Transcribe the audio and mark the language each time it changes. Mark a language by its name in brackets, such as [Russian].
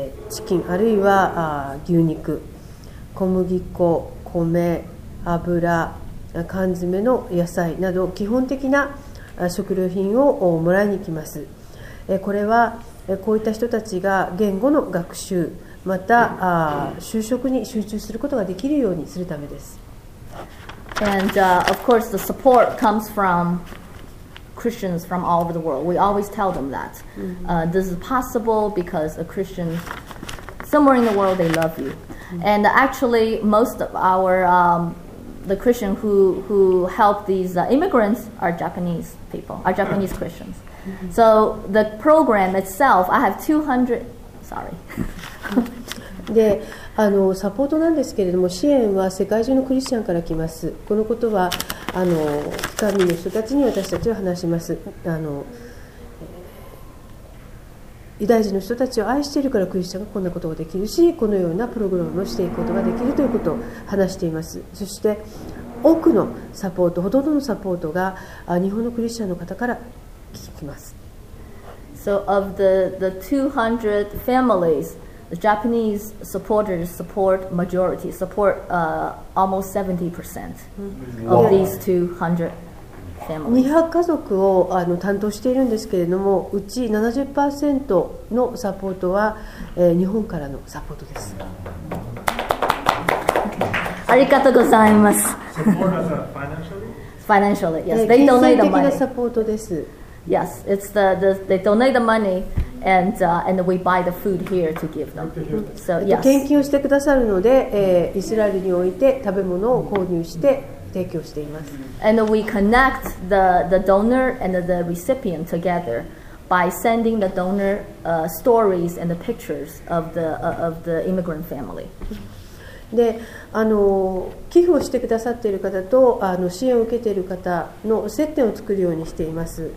[Japanese] チキン、あるいは牛肉、小麦粉、米、油、缶詰の野菜など基本的な食料品をもらいに来ます。これはこういった人たちが言語の学習、また就職に集中することができるようにするためです。 [English] And of course the support comes from Christians from all over the world. We always tell them that. This is possible because a Christian somewhere in the world, they love you. And actually, most of our the Christian who help these immigrants are Japanese people, are Japanese Christians. So the program itself, I have 200, sorry. [Japanese] で、サポートなんですけれども、支援は世界中のクリスチャンから来ます。このことは帰還民の人たちに私たちは話します。ユダヤ人の人たちを愛しているからクリスチャンがこんなことができるし、このようなプログラムをしていくことができるということを話しています。そして多くのサポート、ほとんどのサポートが日本のクリスチャンの方から聞きます。 [English] So of the 200 families, the Japanese supporters support majority, support almost 70% of these 200 [Japanese] 200家族を担当しているんですけれども、うち 70% のサポートは日本からのサポートです。ありがとうございます。 [English] financially? financially, yes, they donate the money. [Japanese] 金銭的なサポートです。 [English] Yes, it's they donate the money and we buy the food here to give them. So, yes. [Japanese] 献金をしてくださるので、イスラエルにおいて食べ物を購入して提供しています。 [English] And we connect the donor and the recipient together by sending the donor stories and the pictures of the immigrant family. [Japanese] で、寄付をしてくださっている方と支援を受けている方の接点を作るようにしています。